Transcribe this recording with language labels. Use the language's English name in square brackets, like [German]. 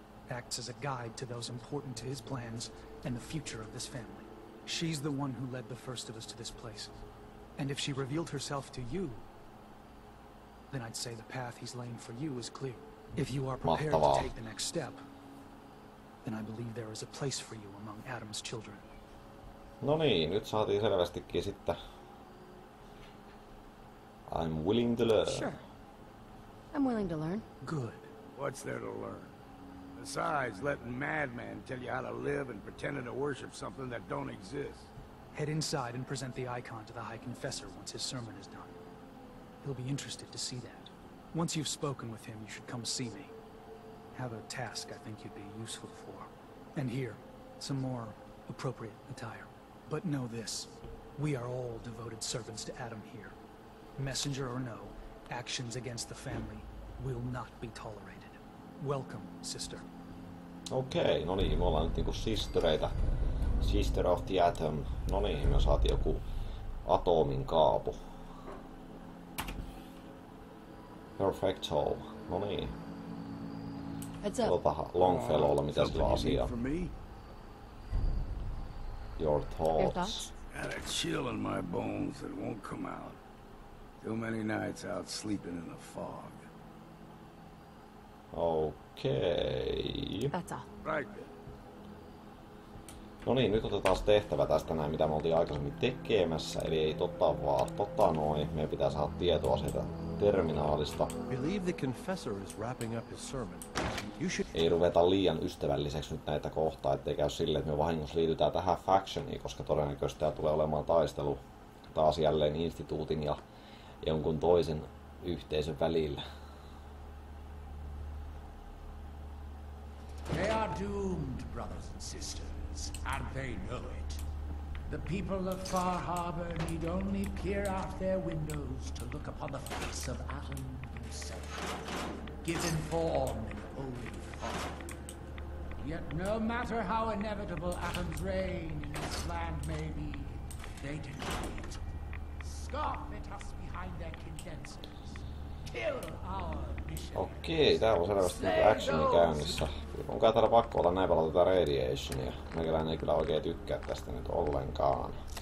[English] Acts as a guide to those important to his plans and the future of this family. She's the one who led the first of us to this place. And if she revealed herself to you, then I'd say the path he's laying for you is clear. If you are prepared to take the next step, then I believe there is a place for you among Adam's children. [Finnish] No niin, nyt saatiin selvästikin sitten. [English] I'm willing to learn. Sure. I'm willing to learn. Good. What's there to learn? Besides letting madman tell you how to live and pretending to worship something that don't exist. Head inside and present the icon to the High Confessor once his sermon is done. He'll be interested to see that. Once you've spoken with him, you should come see me. Have a task I think you'd be useful for. And here, some more appropriate attire. But know this, we are all devoted servants to Atom here. Messenger or no, actions against the family will not be tolerated. Welcome, sister. [Finnish] Okei, no niin, me ollaan nyt niinku sistereitä. [English] Sister of the Atom. [Finnish] No niin, me saatiin joku Atomin kaapu. Perfecto. No niin. Katsotaan Longfellowlla, mitä sillä asiaa. [English] Your thoughts. Got a chill in my bones that won't come out. Too many nights out sleeping in the fog. Okay. That's all. Right. [Finnish] No niin, nyt otetaan tehtävä tästä näin, mitä me oltiin aikaisemmin tekemässä. Eli ei totta vaan, totta noin. Meidän pitää saada tietoa siitä terminaalista. [English] Believe the confessor is wrapping up his sermon. You should... [Finnish] Ei ruveta liian ystävälliseksi nyt näitä kohtaa, ettei käy sille, että me vahingossa liitytään tähän factioniin, koska todennäköisesti tämä tulee olemaan taistelu taas jälleen instituutin ja jonkun toisen yhteisön välillä. [English] They are doomed, brothers and sisters, and they know it. The people of Far Harbor need only peer out their windows to look upon the face of Atom himself, given form in holy fog. Yet no matter how inevitable Atom's reign in this land may be, they deny it. Scoff at us behind their condensers. Kill our missionaries. [Finnish] Okei, tää on selvästi nyt actioni käynnissä. Onko täällä pakko olla näin paljon tätä radiationia? Meikäläinen ei kyllä oikein tykkää tästä nyt ollenkaan.